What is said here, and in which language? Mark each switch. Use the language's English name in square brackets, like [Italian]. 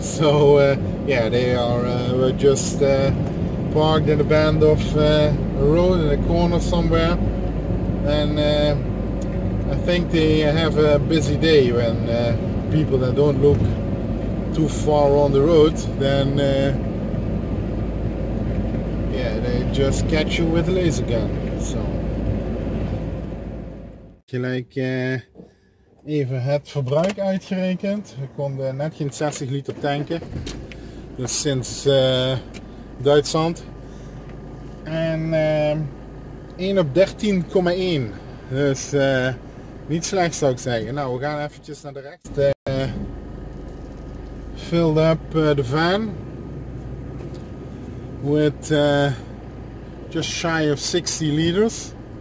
[English] So yeah, they are were just parked in a bend of a road in a corner somewhere, and I think they have a busy day when people that don't look too far on the road, then yeah, they just catch you with a laser gun. [Dutch] So, gelijk even het verbruik uitgerekend. We konden net geen 60 liter tanken, dus sinds Duitsland. En 1 op 13,1. Dus niet slecht zou ik zeggen. Nou, we gaan eventjes naar de rechts. [English] Filled up the van with just shy of 60 liters.